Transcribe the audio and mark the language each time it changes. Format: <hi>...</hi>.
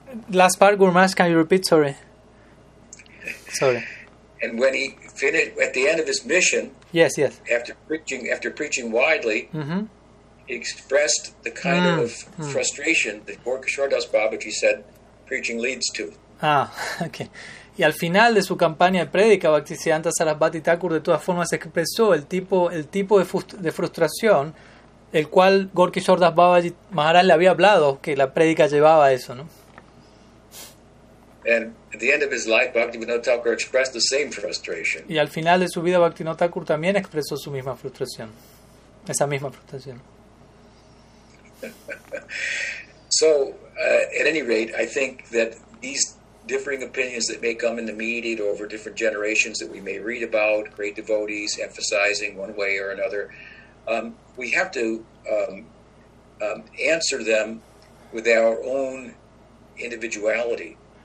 <en>Last part, Gurmash, can you repeat? Sorry. Sorry. And when he finished, at the end of his mission, yes, yes, after preaching widely, mm-hmm, he expressed the kind of frustration that Gaur Kishore Das Babaji said preaching leads to. Ah, okay.</en> <es>Y al final de su campaña de prédica, Bhaktisiddhanta Sarasvati Thakur de todas formas expresó el tipo de frustración el cual Gaur Kishore Das Babaji Maharaj le había hablado que la prédica llevaba eso, ¿no?</es> <en>And at the end of his life, Bhaktivinoda Thakur expressed the same frustration.</en> <es>Y al final de su vida, Bhaktivinoda Thakur también expresó su misma frustración. Esa misma frustración.</es> <en>So, at any rate, I think that these differing opinions that may come in the media or over different generations that we may read about, great devotees emphasizing one way or another, we have to answer them with our own individuality.</en>